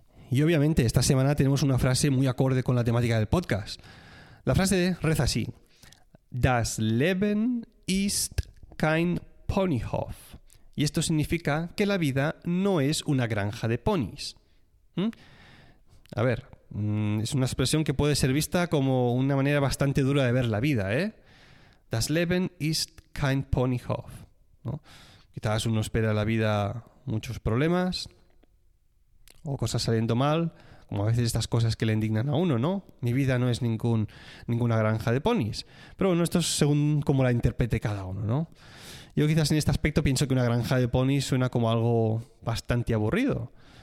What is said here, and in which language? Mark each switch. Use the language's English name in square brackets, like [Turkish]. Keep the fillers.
[Spanish] Y obviamente esta semana tenemos una frase muy acorde con la temática del podcast. La frase reza así: [German] Das Leben ist kein Ponyhof. [Spanish] Y esto significa que la vida no es una granja de ponis. ¿Mm? A ver, mm, es una expresión que puede ser vista como una manera bastante dura de ver la vida, ¿eh? [German] Das Leben ist kein Ponyhof. [Spanish] ¿no? Quizás uno espera la vida muchos problemas, o cosas saliendo mal, como a veces estas cosas que le indignan a uno, ¿no? Mi vida no es ningún, ninguna granja de ponis. Pero bueno, esto es según como la interprete cada uno, ¿no? Yo quizás en este aspecto pienso que una granja de ponis suena como algo bastante aburrido.